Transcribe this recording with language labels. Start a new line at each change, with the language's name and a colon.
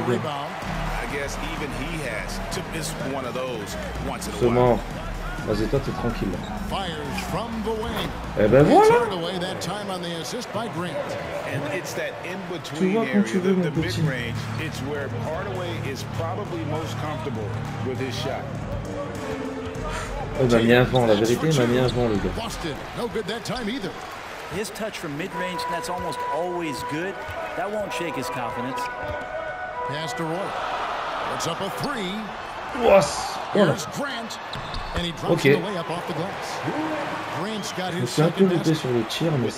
English: rebound. I guess even he has to miss one of those once in a
French: while. Vas-y, toi, t'es tranquille.
English: Fires from the wing.
French: Eh ben voilà.
English: Turned away that time on the assist by Grant. And it's that in-between area, the mid-range. It's where Hardaway is probably most comfortable with his shot.
French: Il m'a mis un vent, la vérité, il m'a mis un vent, le gars.
English: Boston, no good that time either. His touch from mid-range, that's almost always good. That won't shake his confidence. Pass to Roy. It's up a three. What? Here's Grant. And he drops okay. The layup off the glass. Grant's got his second basket. With